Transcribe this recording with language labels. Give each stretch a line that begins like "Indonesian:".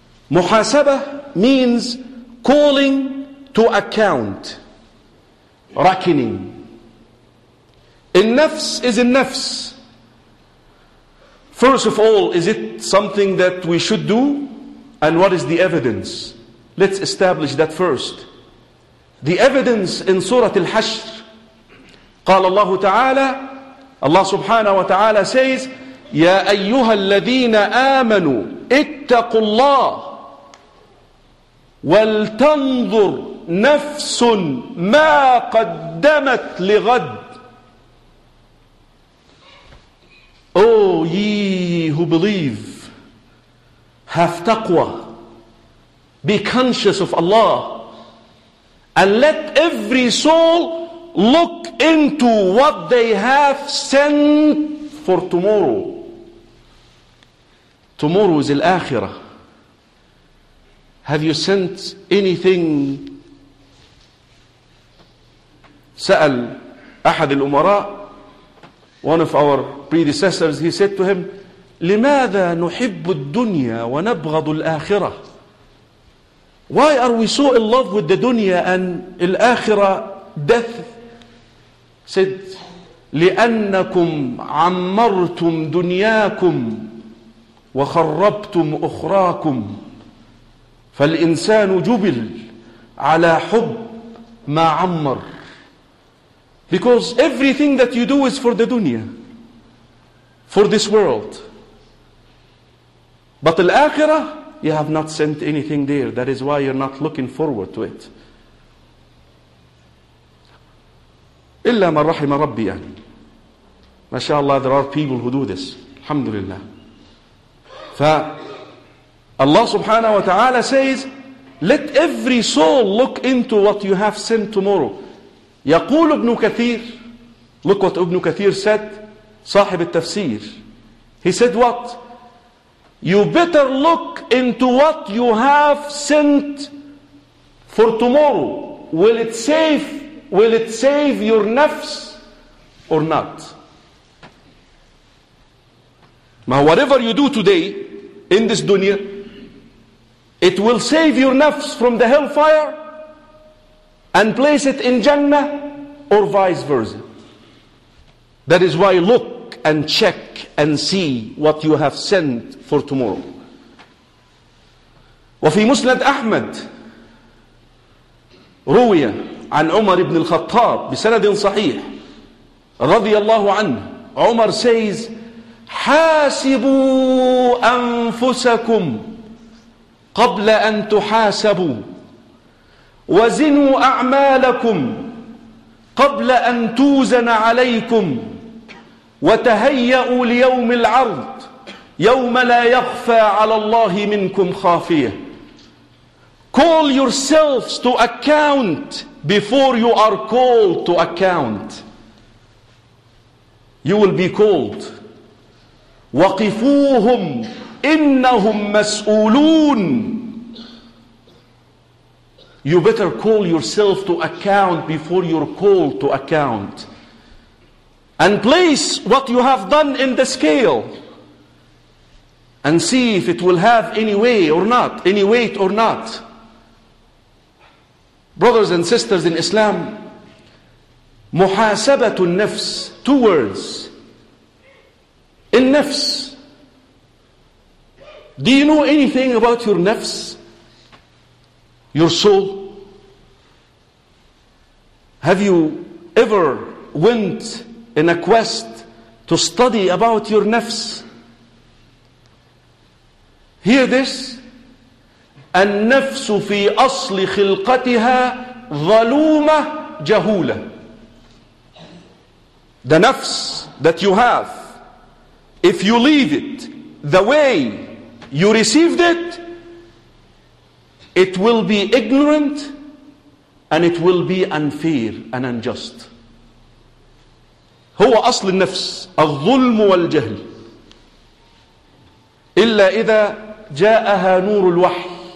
English: Muhasabah means calling to account, reckoning. In nafs is in nafs. First of all, is it something that we should do? And what is the evidence? Let's establish that first. The evidence in Surah Al-Hashr.
Arabic: قال الله تعالى,
English: Allah subhanahu wa ta'ala says,
Arabic: يَا أَيُّهَا الَّذِينَ آمَنُوا اتَّقُوا اللَّهِ وَالْتَنْظُرْ نَفْسٌ مَا قَدَّمَتْ لِغَدْ.
English: O ye who believe, have taqwa, be conscious of Allah, and let every soul look into what they have sent for tomorrow. Tomorrow is al-akhirah. Have you sent anything?
Arabic: سأل أحد الأمراء,
English: one of our predecessors, he said to him,
Arabic: لماذا نحب الدنيا ونبغض الآخرة?
English: Why are we so in love with the dunya and الآخرة, death? Said,
Arabic: لأنكم عمرتم دنياكم وخربتم أخراكم فالإنسان جبل على حب ما عمر.
English: Because everything that you do is for the dunya, for this world. But al-akhirah, you have not sent anything there. That is why you're not looking forward to it.
Arabic: إِلَّا مَنْ رَحِمَ رَبِّيًا.
English: MashaAllah, there are people who do this. Alhamdulillah. Allah subhanahu wa ta'ala says, let every soul look into what you have sent tomorrow.
Arabic: يقول ابن كثير,
English: look what
Arabic: ابن كثير
English: said,
Arabic: صاحب التفسير.
English: He said what? You better look into what you have sent for tomorrow. Will it save your nafs or not? Now whatever you do today in this dunya, it will save your nafs from the hellfire and place it in Jannah, or vice versa. That is why look and check and see what you have sent for tomorrow.
Arabic: وفي مسند أحمد روية عن عمر بن الخطاب بسند صحيح رضي الله عنه. عمر
English: says,
Arabic: حاسبوا أنفسكم قبل أن تحاسبوا وزنوا أعمالكم قبل أن توزن عليكم وتهيأوا ليوم العرض يوم لا يخفى على الله منكم خافية.
English: Call yourselves to account before you are called to account. You will be called.
Arabic: وقفوهم إنهم مسؤولون.
English: You better call yourself to account before you're called to account. And place what you have done in the scale. And see if it will have any way or not, any weight or not. Brothers and sisters in Islam, muhasabatu nafs, two words. In nafs. Do you know anything about your nafs? Your soul? Have you ever went in a quest to study about your nafs? Hear this.
Arabic: النفس في أصل خلقتها ظلومة جهولة.
English: The nafs that you have, if you leave it the way you received it, it will be ignorant and it will be unfair and unjust.
Arabic: هو أصل النفس الظلم والجهل إلا إذا جاءها نور الوحي.